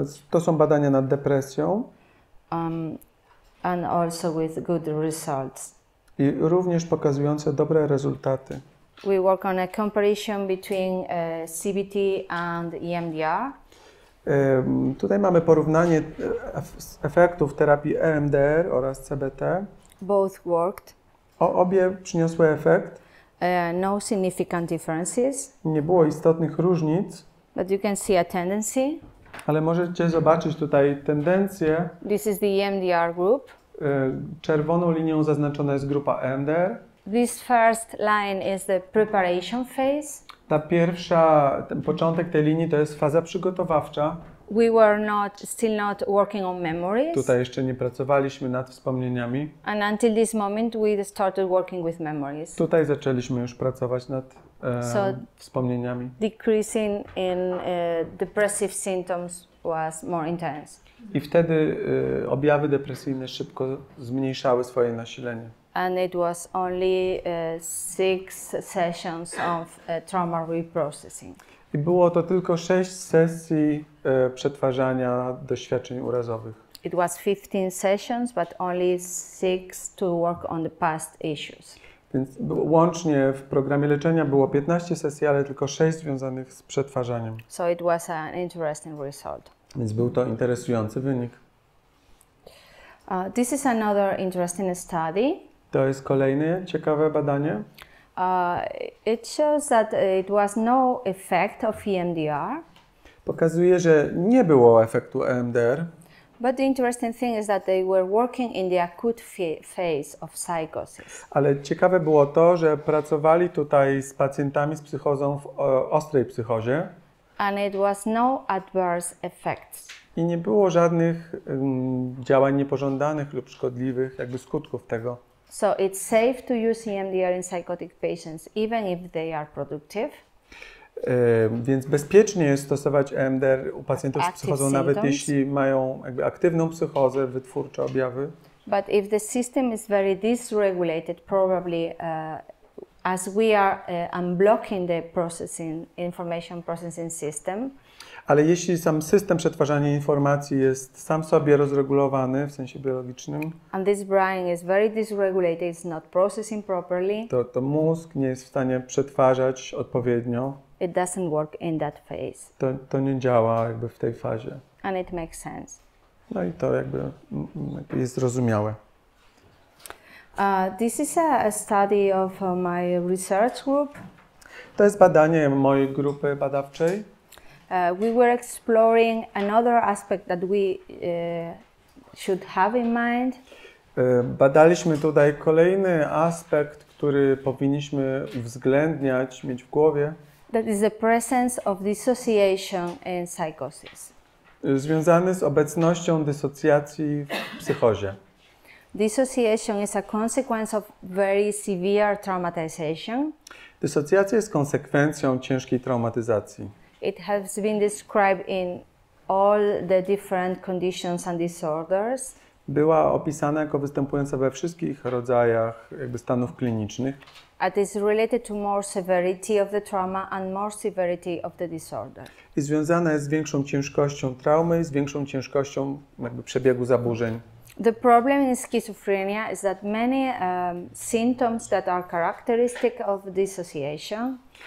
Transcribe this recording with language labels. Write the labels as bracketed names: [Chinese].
[Polish] To są badania nad depresją. [English] And also with good results. [Polish] I również pokazujące dobre rezultaty. [English] We work on a comparison between CBT and EMDR. [Polish] Tutaj mamy porównanie efektów terapii EMDR oraz CBT. [English] Both worked. [Polish] Obie przyniosły efekt. [English] No significant differences. [Polish] Nie było istotnych różnic. [English] But you can see a tendency. [Polish] Ale możecie zobaczyć tutaj tendencję. [English] This is the EMDR group. [Polish] Czerwoną linią zaznaczona jest grupa EMDR. [English] This first line is the preparation phase. [Polish] Ten początek tej linii to jest faza przygotowawcza. [English] We were still not working on memories. [Polish] Tutaj jeszcze nie pracowaliśmy nad wspomnieniami. [English] And until this moment we started working with memories. [Polish] Tutaj zaczęliśmy już pracować nad wspomnieniami. [English] Decreasing in depressive symptoms was more intense. [Polish] I wtedy objawy depresyjne szybko zmniejszały swoje nasilenie. [English] And it was only 6 sessions of trauma reprocessing. [Polish] I było to tylko 6 sesji przetwarzania doświadczeń urazowych. [English] It was 15 sessions, but only 6 to work on the past issues. [Polish] Więc łącznie w programie leczenia było 15 sesji, ale tylko 6 związanych z przetwarzaniem. [English] So it was an interesting result. [Polish] Więc był to interesujący wynik. [English] This is another interesting study. [Polish] To jest kolejne ciekawe badanie. [English] It shows that it was no effect of EMDR. [Polish] Pokazuje, że nie było efektu EMDR. [English] But the interesting thing is that they were working in the acute phase of psychosis. [Polish] Ale ciekawe było to, że pracowali tutaj z pacjentami z psychozą w ostrej psychozie. [English] And it was no adverse effects. [Polish] I nie było żadnych działań niepożądanych lub szkodliwych jakby skutków tego. [English] So it's safe to use EMDR in psychotic patients, even if they are productive. [Polish] Więc bezpiecznie jest stosować EMDR u pacjentów z psychozą, nawet jeśli mają jakby aktywną psychozę, wytwórcze objawy. [English] But if the system is very dysregulated, probably as we are unblocking the processing, information processing system. [Polish] Ale jeśli sam system przetwarzania informacji jest sam sobie rozregulowany w sensie biologicznym, [English] and this brain is very dysregulated, it's not processing properly. [Polish] To mózg nie jest w stanie przetwarzać odpowiednio. [English] It doesn't work in that phase. [Polish] To nie działa jakby w tej fazie. [English] And it makes sense. [Polish] No i to jakby jest zrozumiałe. [English] This is a study of my research group. [Polish] To jest badanie mojej grupy badawczej. [English] We were exploring another aspect that we should have in mind. [Polish] Badaliśmy tutaj kolejny aspekt, który powinniśmy uwzględniać, mieć w głowie. [English] That is the presence of dissociation in psychosis. [Polish] Związany z obecnością dysocjacji w psychozie. [English] Dissociation is a consequence of very severe traumatization. [Polish] Dysocjacja jest konsekwencją ciężkiej traumatyzacji. [English] It has been described in all the different conditions and disorders. [Polish] Była opisana jako występująca we wszystkich rodzajach jakby stanów klinicznych. [English] It is related to more severity of the trauma and more severity of the disorder. [Polish] I związana jest z większą ciężkością traumy, z większą ciężkością jakby przebiegu zaburzeń. [English] The problem in schizophrenia is that many symptoms that are characteristic of dissociation.